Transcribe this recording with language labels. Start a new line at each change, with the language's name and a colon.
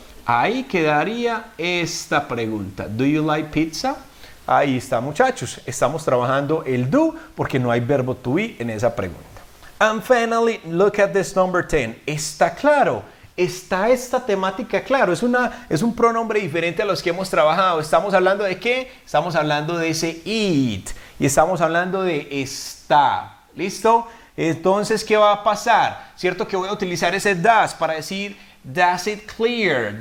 Spanish: Ahí quedaría esta pregunta.
English: Do you like pizza?
Spanish: Ahí está, muchachos. Estamos trabajando el do porque no hay verbo to be en esa pregunta.
English: And finally, look at this number 10.
Spanish: ¿Está claro? ¿Está esta temática claro? Es un pronombre diferente a los que hemos trabajado. ¿Estamos hablando de qué? Estamos hablando de ese it. Y estamos hablando de está. ¿Listo? Entonces, ¿qué va a pasar? ¿Cierto que voy a utilizar ese does para decir
English: does it clear?